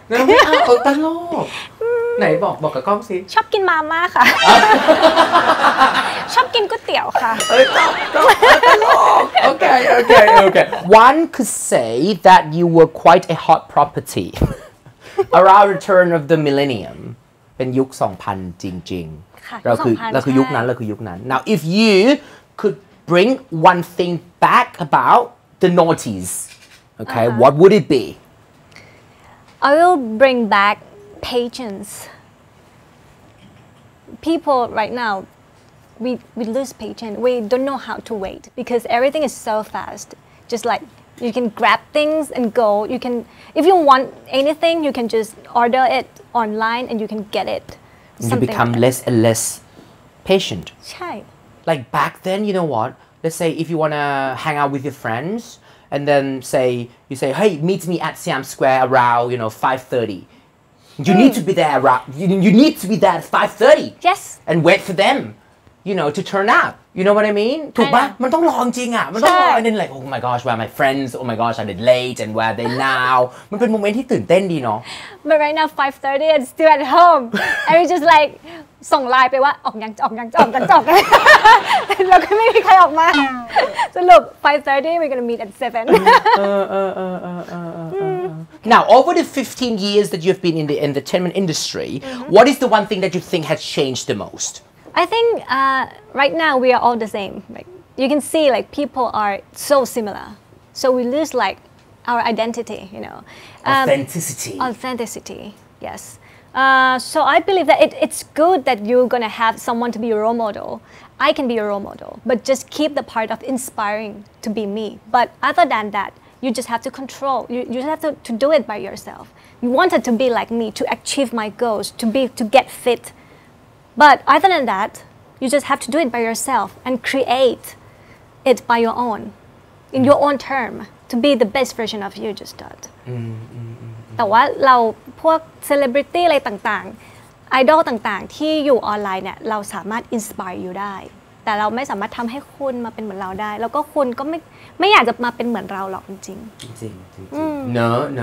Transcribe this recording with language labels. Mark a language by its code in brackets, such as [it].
[th] ไม่เอาตลกไหนบอกกับกล้องสิ ชอบกินมาม่าค่ะชอบกินก๋วยเตี๋ยวค่ะ เฮ้ยตลกโอเค [en] one could say that you were quite a hot property around return of the millennium [th] เป็นยุค 2,000 จริง ๆ เราคือยุคนั้น [en] Now if you could bring one thing back about the noughties okay what would it be I will bring back patience people right now we lose patience. We don't know how to wait because everything is so fast. Just like you can grab things and go. You can, if you want anything, you can just order it online and you can get it. You become less and less patient. [th] Chai. [en] Like back then, you know what? Let's say if you want to hang out with your friends and then say, you say, hey, meet me at Siam Square around, you know, 5:30. You need to be there around, you need to be there at 5:30. Yes. And wait for them, you know, to turn up. You know what I mean? [th] ถูกป่ะ มันต้องรอจริงอ่ะ มันต้องรอ [en] and then like, oh my gosh, where are my friends? Oh my gosh, I'm late and where are they now? [th] มันเป็นโมเมนต์ที่ตื่นเต้นดีเน [en] าะ But right now 5:30 and still at home. And we just like, [th] ส่งไลน์ไปว่าออกยังจะออกยังจะออกยังจะออกแล้วก็ไม่มีใครออกมาสรุป 5:30 [en] we're gonna meet at 7 Now over the 15 years that you've been in the entertainment industry, mm-hmm. what is the one thing that you think has changed the most? I think right now we are all the same. Like you can see, like people are so similar, so we lose like our identity. You know, authenticity. Authenticity. Yes. So I believe that it's good that you're gonna have someone to be your role model. I can be your role model, but just keep the part of inspiring to be me. But other than that, you just have to control. You just have to do it by yourself. You wanted to be like me to achieve my goals, to get fit. But other than that, you just have to do it by yourself and create it by your own, in your own term, to be the best version of you. Just that. [th] แต่ว่าเราพวกเซเลบริตี้อะไรต่างๆไอดอลต่างๆที่อยู่ออนไลน์เนี่ยเราสามารถอินสปายอยู่ได้แต่เราไม่สามารถทำให้คุณมาเป็นเหมือนเราได้แล้วก็คุณก็ไม่อยากจะมาเป็นเหมือนเราหรอกจริง จริงจริงเนอะ